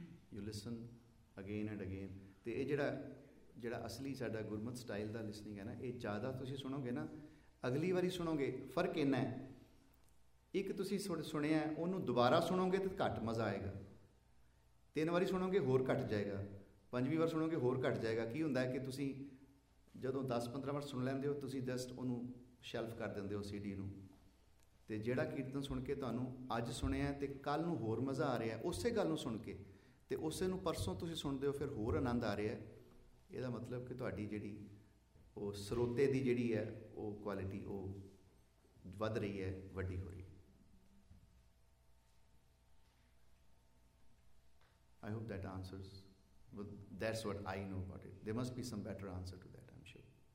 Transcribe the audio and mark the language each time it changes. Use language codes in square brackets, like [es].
[en] You listen again and again. [pa] Te eh jehda asli sada gurmat style da listening hai na, eh jyada tusi sunoge na, agli wari sunoge fark inna hai, ik tusi suneya ohnu dobara sunoge te ghat maza aayega, 3 ਵਾਰੀ ਸੁਣੋਗੇ ਹੋਰ ਘੱਟ ਜਾਏਗਾ, 5ਵੀਂ ਵਾਰ ਸੁਣੋਗੇ ਹੋਰ ਘੱਟ ਜਾਏਗਾ। ਕੀ ਹੁੰਦਾ ਕਿ ਤੁਸੀਂ ਜਦੋਂ 10-15 ਵਾਰ ਸੁਣ ਲੈਂਦੇ ਹੋ, ਤੁਸੀਂ ਜਸਟ ਉਹਨੂੰ ਸ਼ੈਲਫ ਕਰ ਦਿੰਦੇ ਹੋ ਸੀਡੀ ਨੂੰ, ਅਤੇ ਜਿਹੜਾ ਕੀਰਤਨ ਸੁਣ ਕੇ ਤੁਹਾਨੂੰ ਅੱਜ ਸੁਣਿਆ ਅਤੇ ਕੱਲ੍ਹ ਨੂੰ ਹੋਰ ਮਜ਼ਾ ਆ ਰਿਹਾ ਉਸੇ ਗੱਲ ਨੂੰ ਸੁਣ ਕੇ, ਅਤੇ ਉਸੇ ਨੂੰ ਪਰਸੋਂ ਤੁਸੀਂ ਸੁਣਦੇ ਹੋ, ਫਿਰ ਹੋਰ ਆਨੰਦ ਆ ਰਿਹਾ। ਇਹਦਾ ਮਤਲਬ ਕਿ ਤੁਹਾਡੀ ਜਿਹੜੀ ਉਹ ਸਰੋਤੇ ਦੀ ਜਿਹੜੀ ਹੈ ਉਹ ਕੁਆਲਿਟੀ ਉਹ ਵੱਧ ਰਹੀ ਹੈ, ਵੱਡੀ ਹੋ ਰਹੀ। [en] I hope that answers, but that's what I know about it. There must be some better answer to that, I'm sure.